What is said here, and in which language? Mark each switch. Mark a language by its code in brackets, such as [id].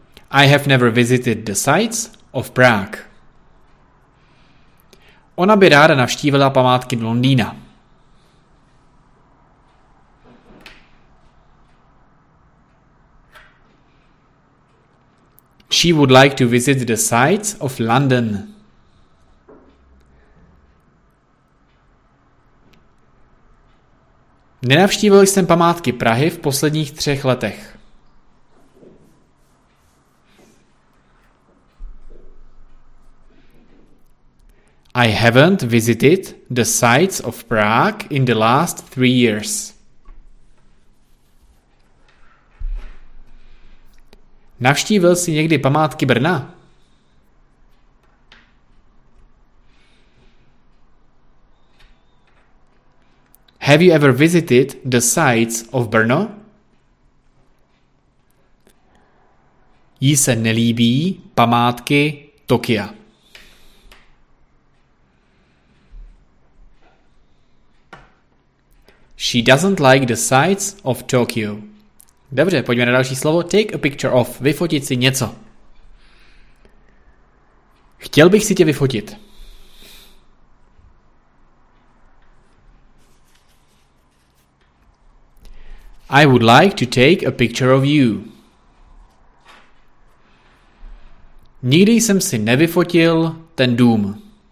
[en] I have never visited the sights of Prague. [cs] Ona by ráda navštívila památky Londýna. [en] She would like to visit the sights of London. [cs] Nenavštívil jsem památky Prahy v posledních 3 letech. [en] I haven't visited the sights of Prague in the last 3 years. [cs] Navštívil jsi někdy památky Brna? [en] Have you ever visited the sights of Brno? [cs] Jí se nelíbí památky Tokia. [en] She doesn't like the sights of Tokyo. [cs] Dobře, pojďme na další slovo. [en] Take a picture of. [cs] Vyfotit si něco. Chtěl bych si tě vyfotit. [en] I would like to take a picture of you. [cs] Nikdy jsem si nevyfotil ten dům.